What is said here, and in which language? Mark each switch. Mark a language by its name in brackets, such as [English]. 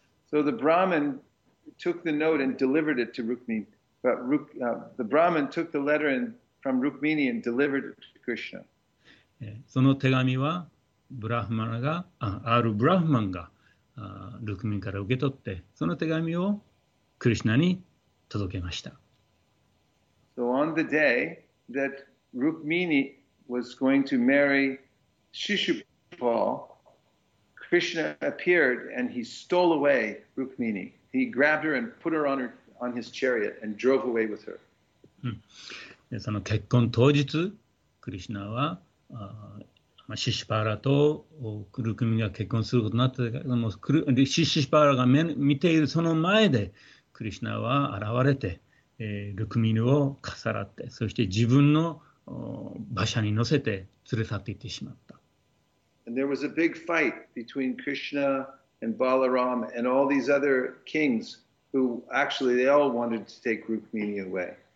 [English] So the BrahmanTook the note and delivered it to Rukmini. But the Brahmin took the letter from Rukmini and delivered it to Krishna. [Japanese] その手紙はブラフマンが、あるブラフマンがルクミンから受け取って、その手紙をクリシナに届けました。 [English] So on the day that Rukmini was going to marry Shishupal, Krishna appeared and he stole away Rukmini. He grabbed her and put her on his chariot and drove away with her. [Japanese] その結婚当日、クリシナは、シシパーラとルクミが結婚することになったけども、シシパーラが見ているその前でクリシナは現れて、ルクミをかさらって、そして自分の馬車に乗せて連れ去っていってしまった。 [English] And there was a big fight between Krishna. And Balaram and all these other kings who actually they all wanted to take Rukmini away.